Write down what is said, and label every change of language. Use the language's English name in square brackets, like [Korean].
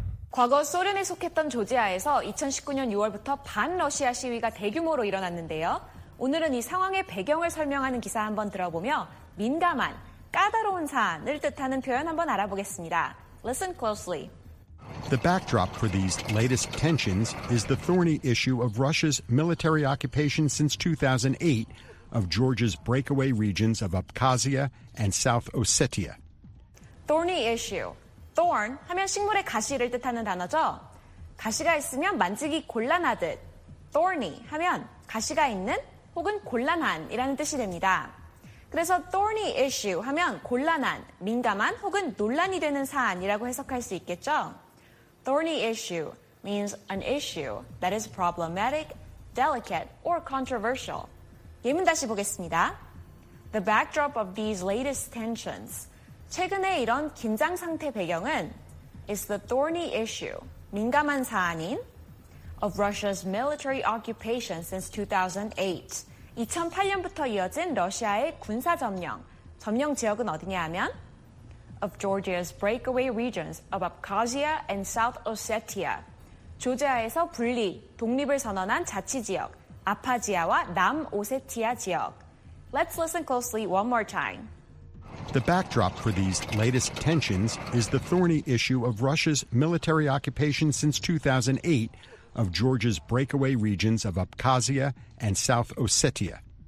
[Korean] 과거 소련에 속했던 조지아에서 2019년 6월부터 반러시아 시위가 대규모로 일어났는데요. 오늘은 이 상황의 배경을 설명하는 기사 한번 들어보며 민감한, 까다로운 사안을 뜻하는 표현 한번 알아보겠습니다. [English] Listen closely. The backdrop for these latest tensions is the thorny issue of Russia's military occupation since 2008 of Georgia's breakaway regions of Abkhazia and South Ossetia. [Korean] Thorny issue. Thorn 하면 식물의 가시를 뜻하는 단어죠. 가시가 있으면 만지기 곤란하듯, thorny 하면 가시가 있는 혹은 곤란한이라는 뜻이 됩니다. 그래서 thorny issue 하면 곤란한, 민감한 혹은 논란이 되는 사안이라고 해석할 수 있겠죠. [English] Thorny issue means an issue that is problematic, delicate, or controversial. [Korean] 예문 다시 보겠습니다. [English] The backdrop of these latest tensions. [Korean] 최근에 이런 긴장 상태 배경은 [English] is the thorny issue, [Korean] 민감한 사안인 [English] of Russia's military occupation since 2008. [Korean] 2008년부터 이어진 러시아의 군사 점령. 점령 지역은 어디냐 하면 [English] of Georgia's breakaway regions of Abkhazia and South Ossetia. [Korean] 조지아에서 분리, 독립을 선언한 자치 지역, 아파지아와 남 오세티아 지역. [English] Let's listen closely one more time. The backdrop for these latest tensions is the thorny issue of Russia's military occupation since 2008 of Georgia's breakaway regions of Abkhazia and South Ossetia.